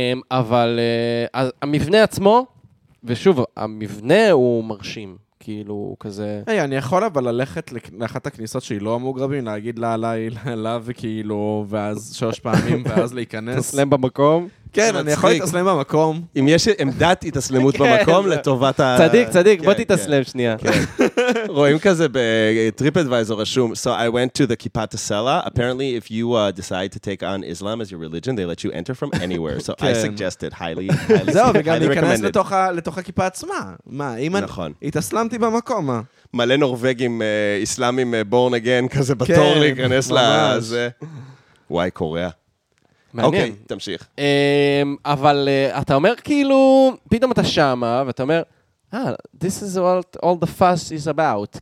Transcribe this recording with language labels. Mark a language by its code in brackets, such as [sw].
[he] אבל המבנה עצמו, ושוב, המבנה הוא מרשים, כאילו, כזה... היי, אני יכול אבל ללכת לאחת הכניסות שהיא לא המוגרבים, להגיד לה עליי, לה וכאילו, ואז שלוש פעמים, ואז להיכנס. תסלם במקום. כן, אני יכול להתאסלם במקום. אם יש עמדת התאסלמות במקום, לטובת ה... צדיק, צדיק, בוא תתאסלם שנייה. רואים כזה בטריפ אדוויזור רשום, [en] So I went to the Kippat HaSela. Apparently, if you decide to take on Islam as your religion, they let you enter from anywhere. So I suggested highly, highly recommended. [he] זהו, וגם להיכנס לתוך הכיפה עצמה. מה, אם אני... נכון. התאסלמתי במקום, מה? מלא נורווגים, איסלאמים, בורן אגן, כזה בתור להיכנס לזה. וואי, קוריאה. אוקיי, תמשיך. אבל אתה אומר כאילו, פתאום אתה שמה, ואתה אומר, [en] this is what all the fuss is about.